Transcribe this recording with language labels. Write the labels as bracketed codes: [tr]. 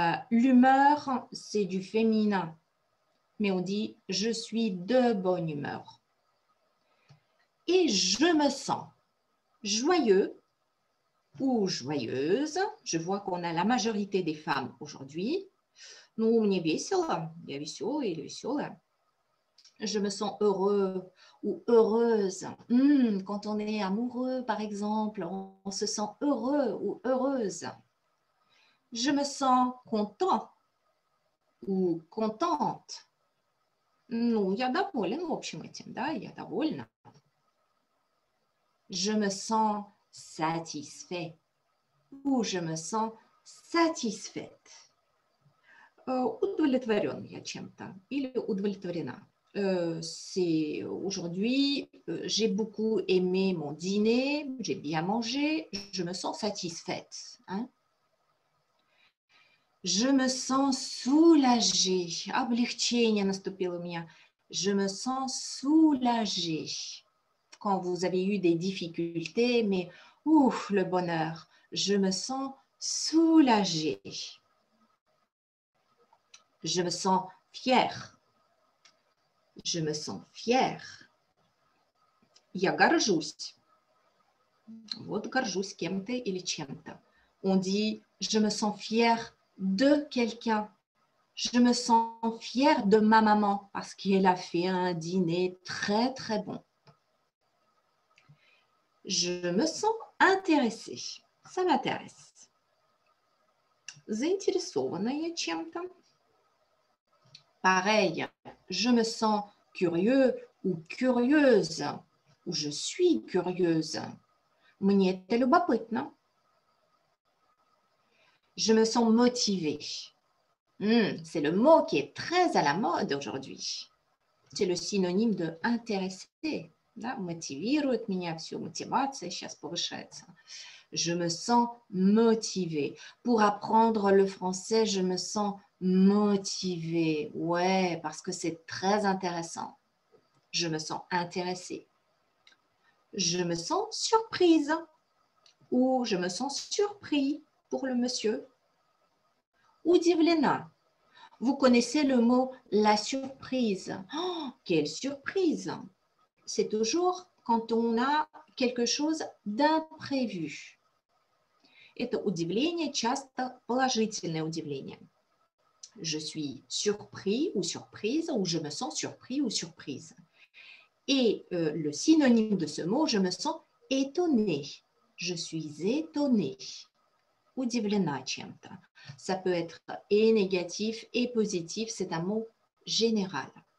[fr] L'humeur, c'est du féminin, mais on dit je suis de bonne humeur. Et je me sens joyeux ou joyeuse. Je vois qu'on a la majorité des femmes aujourd'hui. [ru] Ну, мне весело, я веселая или веселая. [fr] Je me sens heureux ou heureuse. Quand on est amoureux, par exemple, on se sent heureux ou heureuse. Je me sens content ou contente. [ru] Ну, я довольна, в общем, этим, да, я довольна. [fr] Je me sens satisfait ou je me sens satisfaite. [ru] Удовлетворен я чем-то или удовлетворена. [fr] C'est aujourd'hui, j'ai beaucoup aimé mon dîner, j'ai bien mangé, je me sens satisfaite. Hein? Je me sens soulagée. [ru] Облегчение. [fr] Je me sens soulagée. Quand vous avez eu des difficultés, mais ouf, le bonheur, je me sens soulagée. Je me sens fière. Je me sens fière. [ru] Я горжусь. [fr] On dit, je me sens fière de quelqu'un. Je me sens fière de ma maman parce qu'elle a fait un dîner très, très bon. Je me sens intéressée. Ça m'intéresse. [ru] Заинтересованная чем-то. [fr] Pareil, je me sens curieux ou curieuse, ou je suis curieuse. [ru] Мне это любопытно. [fr] Je me sens motivée. C'est le mot qui est très à la mode aujourd'hui. C'est le synonyme de intéressée. [ru] Мотивирует меня все, мотивация сейчас повышается. [fr] Je me sens motivée. Pour apprendre le français, je me sens motivée. Ouais, parce que c'est très intéressant. Je me sens intéressée. Je me sens surprise. Ou je me sens surpris pour le monsieur. [ru] Удивлена. [fr] Vous connaissez le mot la surprise. Oh, quelle surprise! C'est toujours quand on a quelque chose d'imprévu. [ru] Это удивление часто положительное удивление. [fr] Je suis surpris ou surprise, ou je me sens surpris ou surprise. Et le synonyme de ce mot, je me sens étonnée. Je suis étonnée. [ru] Удивлена чем-то. [fr] Ça peut être et négatif et positif, c'est un mot général.